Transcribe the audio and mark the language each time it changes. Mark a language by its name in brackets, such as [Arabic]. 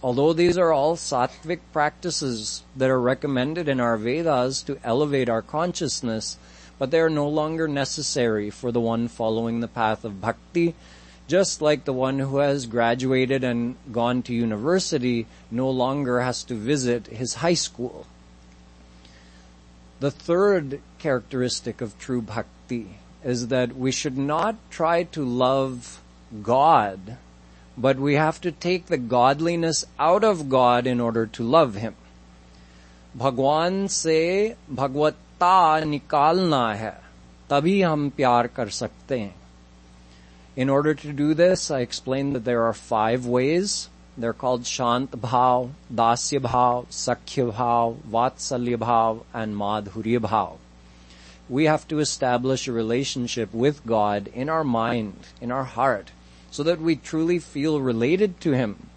[English] Although these are all sattvic practices that are recommended in our Vedas to elevate our consciousness, but they are no longer necessary for the one following the path of bhakti, just like the one who has graduated and gone to university no longer has to visit his high school. The third characteristic of true bhakti is that we should not try to love God, but we have to take the godliness out of God in order to love Him. [Hindi] भगवान से भगवत्ता निकालना है, तभी हम प्यार कर सकते हैं. [English] In order to do this, I explained that there are five ways. They're called Shant Bhav, Dasya Bhav, Sakhya Bhav, Vatsalya Bhav, and Madhurya Bhav. We have to establish a relationship with God in our mind, in our heart, so that we truly feel related to Him.